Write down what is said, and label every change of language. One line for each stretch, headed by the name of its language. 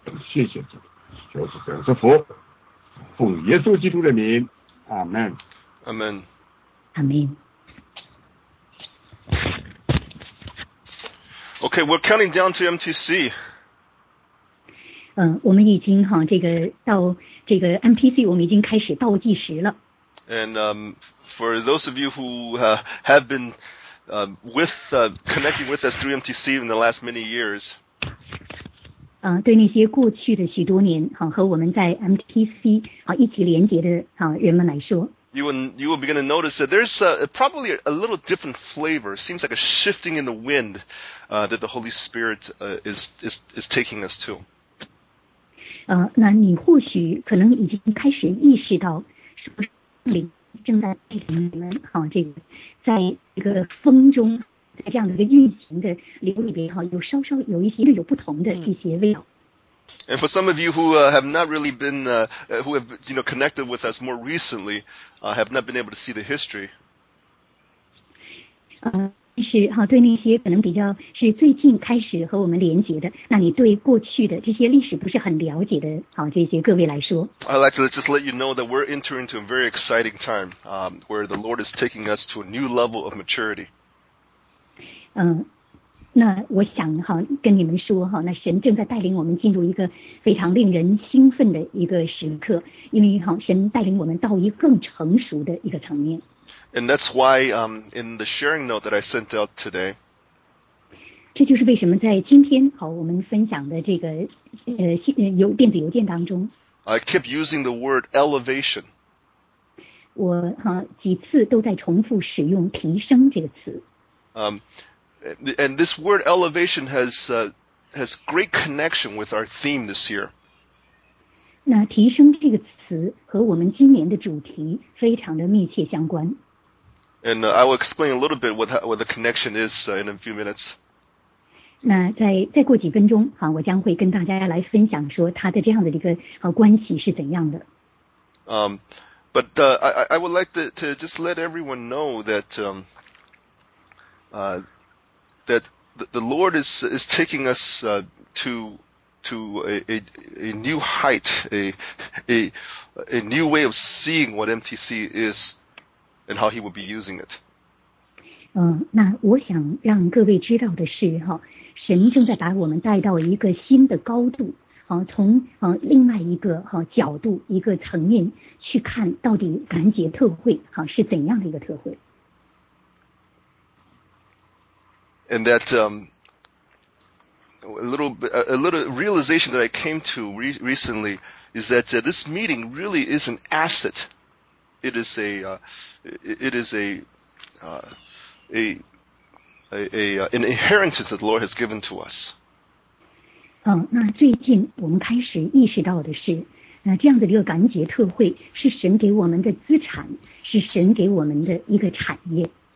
Chinese: 谢谢主，就是这样祝福，奉耶稣基督的名，阿门，阿门，阿门。
English: Okay, we're counting down to MTC.
Chinese: 我们已经到这个 MTC， 我们已经开始倒计时了。
English: And for those of you who have been connecting with us through MTC in the last many years,
Chinese: 对那些过去的许多年，和我们在 MTC 一起连接的人们来说，
English: you will begin to notice that there's probably a little different flavor. It seems like a shifting in the wind that the Holy Spirit is taking us to.
Chinese: 那你或许可能已经开始意识到是不是。正在带领你们在一个风中，在这样的一个运行的流里边有稍稍有一些有不同的一些味道。
English: And for some of you who have not really been, who have connected with us more recently, have not been able to see the history.
Chinese: 是对那些可能比较是最近开始和我们连接的，那你对过去的这些历史不是很了解的，这些各位来说。
English: I'd like to just let you know that we're entering into a very exciting time, where the Lord is taking us to a new level of maturity.
Chinese: 那我想跟你们说那神正在带领我们进入一个非常令人兴奋的一个时刻，因为神带领我们到一个更成熟的一个层面。
English: And that's why in the sharing note that I sent out today,
Chinese: 这就是为什么在今天我们分享的这个电子邮件当中，
English: I keep using the word elevation.
Chinese: 我几次都在重复使用提升这个词。
English: And this word elevation has great connection with our theme this year.
Chinese: 那提升这个词和我们今年的主题非常的密切相关。
English: And I will explain a little bit what the connection is in a few minutes.
Chinese: 那再过几分钟我将会跟大家来分享说它的这样的一个关系是怎样的。
English: But I would like to just let everyone know that that the Lord is taking us to to a new height, a new way of seeing what MTC is and how he would be using it.
Chinese: 那我想让各位知道的是哈，神正在把我们带到一个新的高度，从另外一个角度一个层面去看到底感恩节特会是怎样的一个特会。
English: And that a little realization that I came to recently is that this meeting really is an asset. It is an inheritance that the Lord has given to us.
Chinese: 那最近我们开始意识到的是，那这样的一个感恩节特会是神给我们的资产，是神给我们的一个产业。